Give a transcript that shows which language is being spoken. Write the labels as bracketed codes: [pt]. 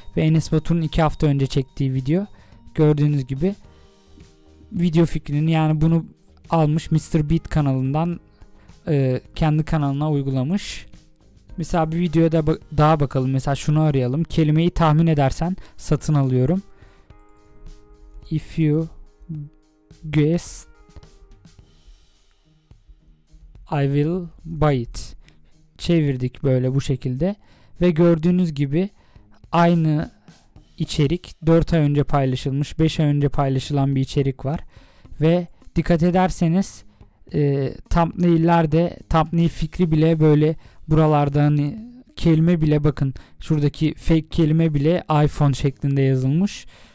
[tr] Ve Enes Batur'un 2 hafta önce çektiği video. Gördüğünüz gibi video fikrini, yani bunu almış MrBeat kanalından, kendi kanalına uygulamış. Mesela bir videoya da daha bakalım. Mesela şunu arayalım. Kelimeyi tahmin edersen satın alıyorum. [en] If you guess I will buy it. [tr] Çevirdik böyle bu şekilde. Ve gördüğünüz gibi aynı İçerik 4 ay önce paylaşılmış, 5 ay önce paylaşılan bir içerik var. Ve dikkat ederseniz thumbnail'lerde thumbnail fikri bile böyle buralarda, hani kelime bile, bakın şuradaki fake kelime bile iPhone şeklinde yazılmış.